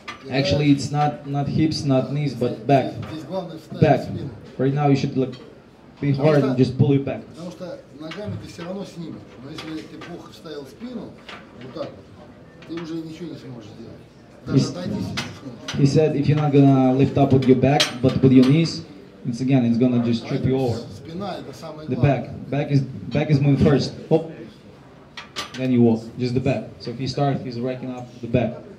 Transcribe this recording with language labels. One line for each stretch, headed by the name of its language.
English: Actually, it's not hips, not knees, but back.
Russian: Здесь главное встать
English: back.
Russian: В спину.
English: Right now you should like, be hard
Russian: потому
English: and just pull your back.
Russian: Потому что ногами ты все равно снимешь. Но если ты плохо вставил спину, вот так вот, ты уже ничего не сможешь сделать.
English: He said, if you're not gonna lift up with your back, but with your knees, it's again, it's gonna just trip you over. The back. Back is moving first. Oh. Then you walk. Just the back. So if he starts, he's racking up the back.